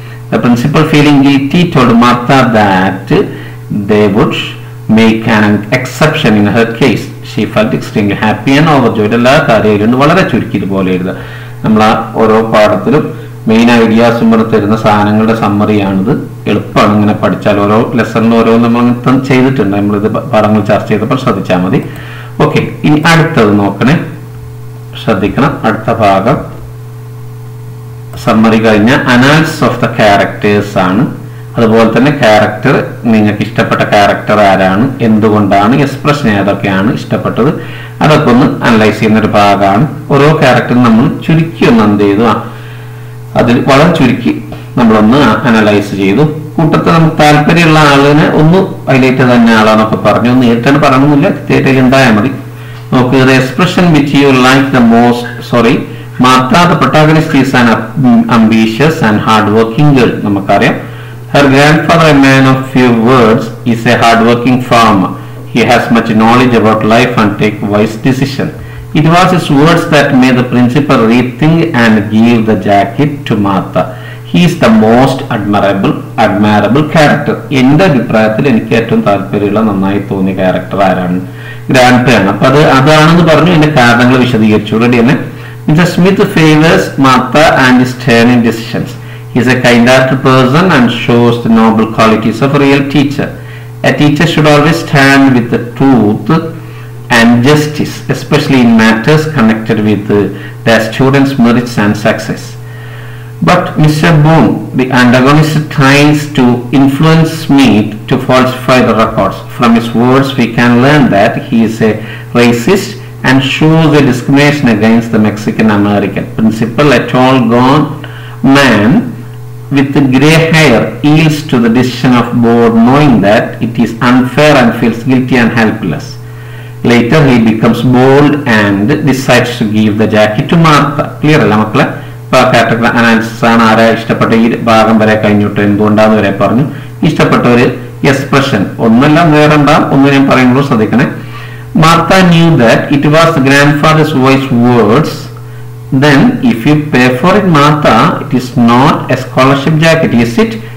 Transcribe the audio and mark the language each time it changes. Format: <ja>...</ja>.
<en>The principal, feeling guilty, told Martha that they would make an exception in her case. She felt extremely happy and overjoyed. All the things that are very important. Our part of the main ideas we are learning are summary.</en> <ml>എളുപ്പമാണിങ്ങനെ പഠിച്ചാൽ ഓരോ ലെസണിലും ഓരോ നമ്മൾ ചെയ്തിട്ടുണ്ട്. നമ്മളിത് പാഠങ്ങൾ ചർച്ച ചെയ്തപ്പോൾ ശ്രദ്ധിച്ചാൽ മതി. ഓക്കെ, ഇനി അടുത്തത് നോക്കണേ, ശ്രദ്ധിക്കണം. അടുത്ത ഭാഗം സമ്മറി കഴിഞ്ഞ അനാലിസിസ് ഓഫ് ദ ക്യാരക്ടേഴ്സ് ആണ്. അതുപോലെ തന്നെ ക്യാരക്ടർ, നിങ്ങൾക്ക് ഇഷ്ടപ്പെട്ട ക്യാരക്ടർ ആരാണ്, എന്തുകൊണ്ടാണ്, എക്സ്പ്രഷൻ ഏതൊക്കെയാണ് ഇഷ്ടപ്പെട്ടത്, അതൊക്കെ ഒന്ന് അനലൈസ് ചെയ്യുന്നൊരു ഭാഗമാണ്. ഓരോ ക്യാരക്ടറും നമ്മൾ ചുരുക്കി ഒന്ന് എന്ത് ചെയ്തു, അതിൽ വളരെ ചുരുക്കി നമ്മളൊന്ന് അനലൈസ് ചെയ്തു. കൂട്ടത്തിൽ നമുക്ക് താല്പര്യമുള്ള ആളിനെ ഒന്ന് ഹൈലൈറ്റ് തന്നെ ആളാണൊക്കെ പറഞ്ഞു. ഒന്ന് ഏറ്റവും പറയണമെന്നില്ല, കൃത്യമായിട്ട് ഉണ്ടായാൽ മതി. നോക്ക്,</ml> <en>The expression which you like the most, sorry, Martha the protagonist is an ambitious and hard working girl.</en> <ml>നമുക്കറിയാം,</ml> <en>Her grandfather, a man of few words, is a hard working farmer. He has much knowledge about life and take wise decision. It was his words that made the principal rethink and give the jacket to Martha. He is the most admirable character.</en> <ml>എന്റെ അഭിപ്രായത്തിൽ എനിക്ക് ഏറ്റവും താല്പര്യമുള്ള, നന്നായി തോന്നിയ character ആരാണ്, ഗ്രാൻഡ്പേയാണ്. അപ്പൊ അത് അതാണെന്ന് പറഞ്ഞു എന്റെ കാരണങ്ങൾ വിശദീകരിച്ചു. റെഡി തന്നെ,</ml> <en>Mister Smith favours Martha and his turning decisions. He is a kind hearted person and shows the noble qualities of real teacher. A teacher should always stand with truth and justice, especially in matters connected with the students merits and success. But Mr. Boone, the antagonist, tries to influence Smith to falsify the records. From his words, we can learn that he is a racist and shows a discrimination against the Mexican-American. Principal, a tall, gaunt man with gray hair, yields to the decision of Boone, knowing that it is unfair and feels guilty and helpless. Later, he becomes bold and decides to give the jacket to Martha.</en> <ml>Clear, alla makkale? Analysis ആണ്. ആരാ ഇഷ്ടപ്പെട്ട ഈ ഭാഗം വരെ കഴിഞ്ഞിട്ട് എന്തുകൊണ്ടാന്ന് വരെ പറഞ്ഞു. ഇഷ്ടപ്പെട്ട ഒരു എക്സ്പ്രഷൻ ഒന്നല്ല, വേറെ ഉണ്ടാ ഒന്ന് ഞാൻ പറയുമ്പോൾ ശ്രദ്ധിക്കണേ.</ml> <en>Martha knew that it was grandfather's voice words. Then if you pay for it Martha, it is not a scholarship jacket, is it?</en>